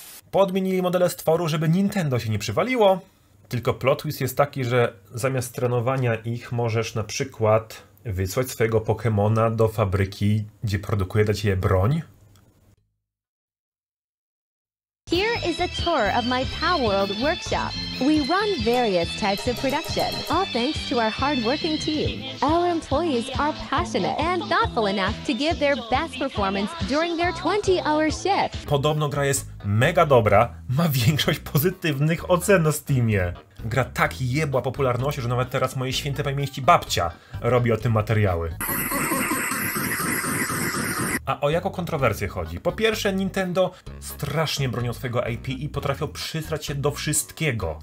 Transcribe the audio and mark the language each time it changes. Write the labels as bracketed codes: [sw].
[pl] Podmienili modele stworu, żeby Nintendo się nie przywaliło. Tylko plot twist jest taki, że zamiast trenowania ich możesz na przykład wysłać swojego Pokemona do fabryki, gdzie produkuje dla ciebie broń. [en] Here is a tour of my Palworld workshop. We run various types of production, all thanks to our hard-working team. Our employees are passionate and thoughtful enough to give their best performance during their 20-hour shift. [pl] Podobno gra jest mega dobra, ma większość pozytywnych ocen na Steamie. Gra tak jebła popularności, że nawet teraz moje święte pamięci babcia robi o tym materiały. A o jaką kontrowersję chodzi? Po pierwsze, Nintendo strasznie bronią swojego IP i potrafią przysrać się do wszystkiego.